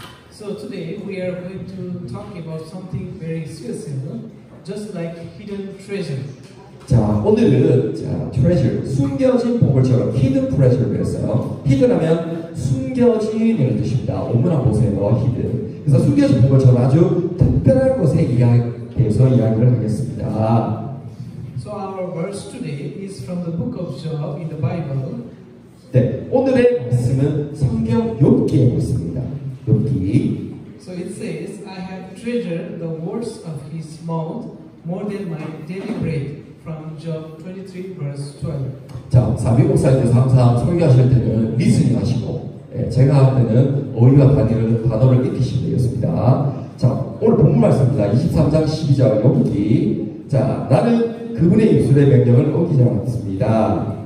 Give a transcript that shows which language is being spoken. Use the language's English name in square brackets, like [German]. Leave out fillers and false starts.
[English] So today we are going to talk about something very serious, just like hidden treasure. [Korean] 자, 오늘은 자, treasure, 숨겨진 보물처럼 hidden treasure 그랬어요. Hidden 하면 숨겨진이라는 뜻입니다. 오문 한번 보세요. Hidden. 그래서 숨겨진 보물처럼 아주 특별한 곳에 이야기해서 이야기를 하겠습니다. [English] So our verse today is from the book of Job in the Bible. [Korean] 네, 오늘의 말씀은 성경 욥기에 있습니다. 욥기. [English] So it says, I have treasured the words of his mouth more than my daily bread. From Job 23 verse 12. [Korean] 자, 사비 목사님께서 항상 설교하실 때는 리스닝 하시고 예, 제가 할 때는 어휘와 단어를 익히시면 되겠습니다. 자, 오늘 본문 말씀입니다. 23장 12절 욥기. 자, 나는 그분의 입술의 명령을 어기지 않았습니다.